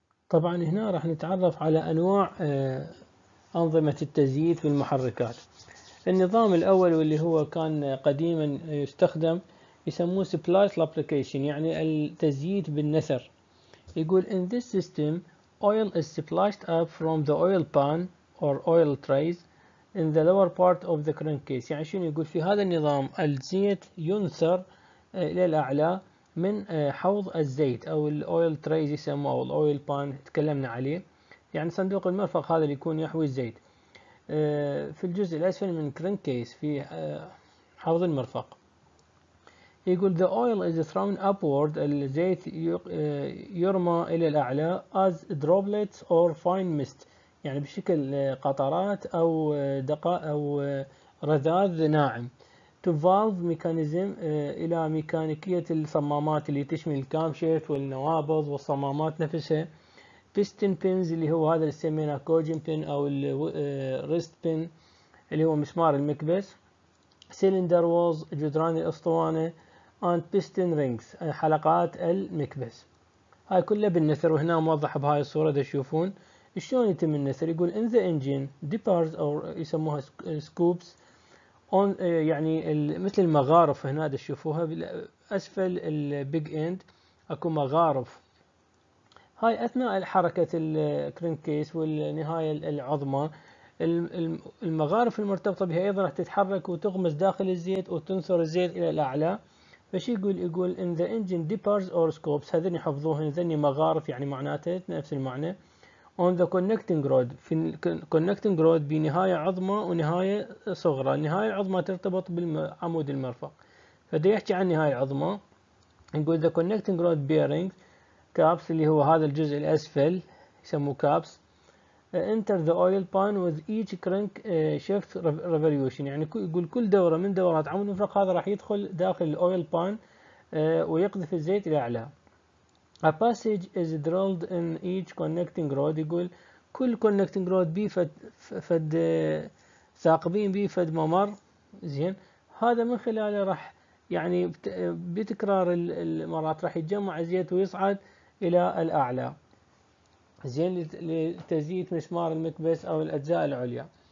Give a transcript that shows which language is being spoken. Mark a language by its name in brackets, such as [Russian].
[Arabic] طبعا هنا راح نتعرف على انواع انظمة التزييت في المحركات. النظام الاول واللي هو كان قديما يستخدم يسموه سبلايس لابليكيشن، يعني التزييت بالنثر. يقول [English] in this system oil is splashed up from the oil pan or oil trays in the lower part of the crankcase. [Arabic] يعني شنو يقول؟ في هذا النظام الزيت ينثر الى الاعلى من حوض الزيت او الاويل تريز يسموه او الاويل بان تكلمنا عليه، يعني صندوق المرفق هذا اللي يكون يحوي الزيت في الجزء الاسفل من كرنك كيس في حوض المرفق. [English] يقول the oil is thrown upward، [Arabic] الزيت يرمى الى الاعلى [English] as droplets or fine mist، [Arabic] يعني بشكل قطرات او دقائق او رذاذ ناعم. To valve mechanism الى ميكانيكية الصمامات اللي تشمل الكامشيفت والنوابض والصمامات نفسها. Piston pins اللي هو هذا اللي سميناه كوجن بين او الريست بين اللي هو مسمار المكبس. Cylinder walls جدران الاسطوانة. And piston rings حلقات المكبس. هاي كلها بالنثر، وهنا موضح بهاي الصورة تشوفون شلون يتم النثر. يقول [English] in the engine dippers [Arabic] او يسموها scoops on يعني مثل المغارف، هنا تشوفوها بالاسفل البيج اند اكو مغارف. هاي اثناء حركة الكرنك كيس والنهاية العظمى المغارف المرتبطة بها ايضا راح تتحرك وتغمس داخل الزيت وتنثر الزيت الى الاعلى. فشي يقول [English] in the engine dippers or scopes، [Arabic] هذين يحفظوهن، ذني مغارف يعني معناته نفس المعنى. On the connecting rod، في connecting rod بنهاية عظمى ونهاية صغرى، النهاية العظمى ترتبط بالعمود المرفق فده يحكي عن النهاية العظمى. نقول [English] the connecting rod bearing caps [Arabic] اللي هو هذا الجزء الأسفل يسموه caps [English] enter the oil pan with each crank shift revolution، [Arabic] يعني يقول كل دورة من دورات عمود المرفق هذا راح يدخل داخل ال oil pan ويقذف الزيت إلى أعلى. [English] A passage is drilled in each connecting rod. [Arabic] يقول كل connecting rod بي فد ثاقبين بي فد ممر زين، هذا من خلاله راح يعني بتكرار المرات راح يتجمع الزيت ويصعد الى الاعلى زين لتزييت مسمار المكبس او الاجزاء العليا.